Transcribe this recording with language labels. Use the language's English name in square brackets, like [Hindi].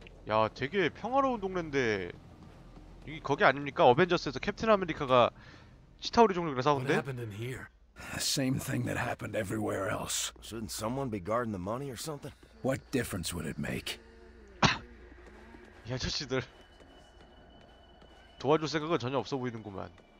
[Korean] 야, 되게 평화로운 동네인데. 이게 거기 아닙니까? 어벤져스에서 캡틴 아메리카가 치타우리 종족이랑 싸운데? [English] What happened in here? The same thing that happened everywhere else. Shouldn't someone be guarding the money or something? What difference would it make? [Korean] 이 아저씨들 도와줄 생각은 전혀 없어 보이는구만.